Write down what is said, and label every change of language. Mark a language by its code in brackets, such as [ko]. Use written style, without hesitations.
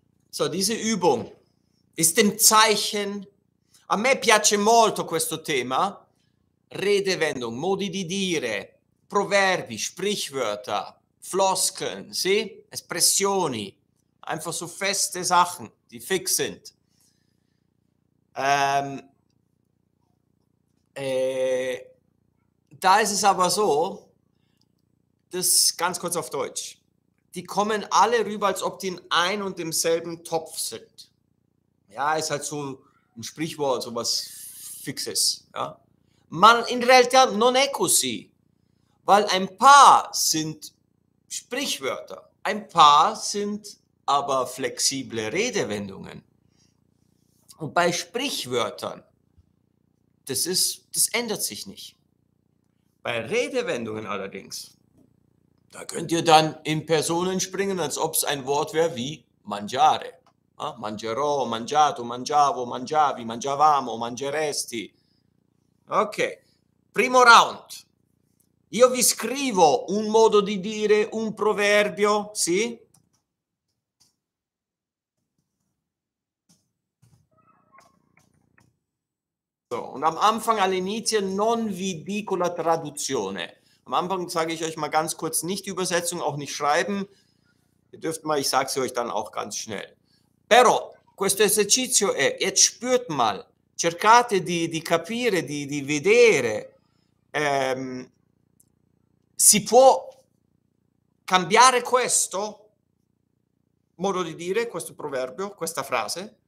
[de] So, diese Übung ist im Zeichen. [it] A me piace molto questo tema. Redewendung, modi di dire, proverbi, sprichwörter. [de] Floskeln, sì? Espressioni, einfach so feste Sachen, die fix sind. Da ist es aber so, das ganz kurz auf Deutsch, die kommen alle rüber, als ob die in ein und demselben Topf sind. Ja, ist halt so ein Sprichwort, so was Fixes. Ja? [it] Man in realtà non è così, [de] weil ein paar sind Sprichwörter. Ein paar sind aber flexible Redewendungen. Und bei Sprichwörtern, das ändert sich nicht. Bei Redewendungen allerdings, da könnt ihr dann in Personen springen, als ob es ein Wort wäre wie mangiare. [it] Mangerò, mangiato, mangiavo, mangiavi, mangiavamo, mangeresti. Ok, primo round. Io vi scrivo un modo di dire, un proverbio, sì? [de] So, und am Anfang, [it] all'inizio, non vi dico la traduzione. [de] Am Anfang sage ich euch mal ganz kurz nicht die Übersetzung, auch nicht schreiben. Ihr dürft mal, ich sage es euch dann auch ganz schnell. [it] Però, questo esercizio è, [de] jetzt spürt mal, [it] cercate di capire, di vedere. Si può cambiare questo modo di dire, questo proverbio, questa frase?